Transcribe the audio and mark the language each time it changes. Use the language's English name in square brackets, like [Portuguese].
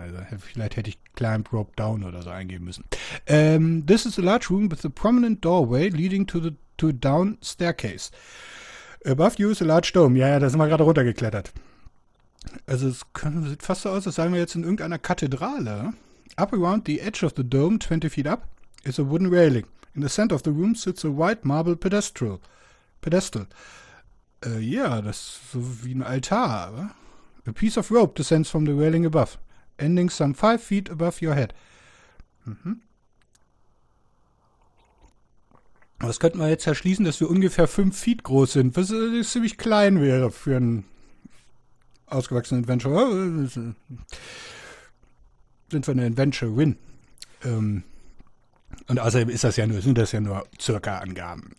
[German] Also, vielleicht hätte ich climb, drop, down oder so eingeben müssen. [English] This is a large room with a prominent doorway leading to a down staircase. Above you is a large dome. [German] Ja, da sind wir gerade runtergeklettert. Also es sieht fast so aus, als seien wir jetzt in irgendeiner Kathedrale. [English] Up around the edge of the dome, 20 feet up, is a wooden railing. In the center of the room sits a white marble pedestal. Pedestal. [German] Ja, das ist so wie ein Altar. Aber. [English] A piece of rope descends from the railing above, ending some 5 feet above your head. [German] Was könnten wir jetzt erschließen, dass wir ungefähr 5 Feet groß sind, was ziemlich klein wäre für einen ausgewachsenen Adventurer. Sind wir eine Adventurerin. Und außerdem ist das ja nur, sind das ja nur circa Angaben.